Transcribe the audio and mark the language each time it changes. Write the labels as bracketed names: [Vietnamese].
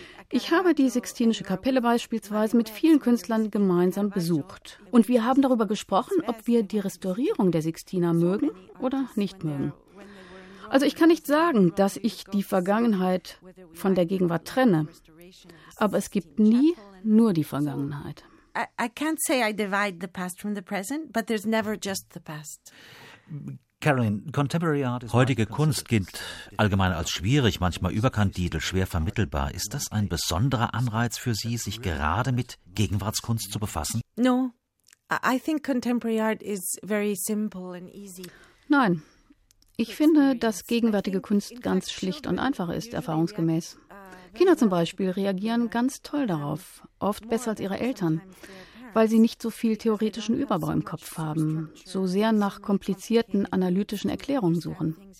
[German] Ich habe die Sixtinische Kapelle beispielsweise mit vielen Künstlern gemeinsam besucht. Und wir haben darüber gesprochen, ob wir die Restaurierung der Sixtina mögen oder nicht mögen. Also ich kann nicht sagen, dass ich die Vergangenheit von der Gegenwart trenne, aber es gibt nie nur die Vergangenheit. [English] I can't say I divide the past from the present, but there's never just the past. [German] Heutige Kunst gilt allgemein als schwierig, manchmal überkandidel, schwer vermittelbar. Ist das ein besonderer Anreiz für Sie, sich gerade mit Gegenwartskunst zu befassen? [English] No, I think contemporary art is very simple and easy. [German] Nein. Ich finde, dass gegenwärtige Kunst ganz schlicht und einfach ist, erfahrungsgemäß. Kinder zum Beispiel reagieren ganz toll darauf, oft besser als ihre Eltern, weil sie nicht so viel theoretischen Überbau im Kopf haben, so sehr nach komplizierten analytischen Erklärungen suchen.